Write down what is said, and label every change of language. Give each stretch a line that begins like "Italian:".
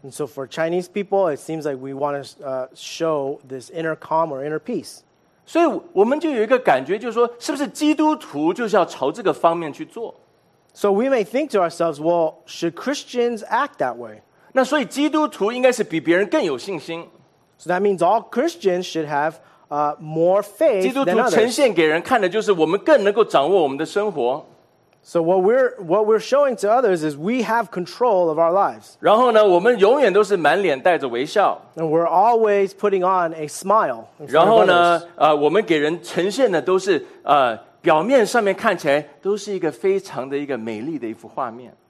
English: And so for Chinese people, it seems like we want to show this inner calm or inner peace.
Chinese: 所以我们就有一个感觉，就是说，是不是基督徒就是要朝这个方面去做？
English: So we may think to ourselves, well, should Christians act that way?
Chinese: 那所以基督徒应该是比别人更有信心。
English: So that means all Christians should have more faith than others.
Chinese: 基督徒呈现给人看的就是我们更能够掌握我们的生活。
English: So what we're showing to others is we have control of our lives.
Chinese: 然后呢，我们永远都是满脸带着微笑。
English: And we're always putting on a smile.
Chinese: 然后呢，我们给人呈现的都是 表面上面看起来都是一个非常的一个美丽的一幅画面。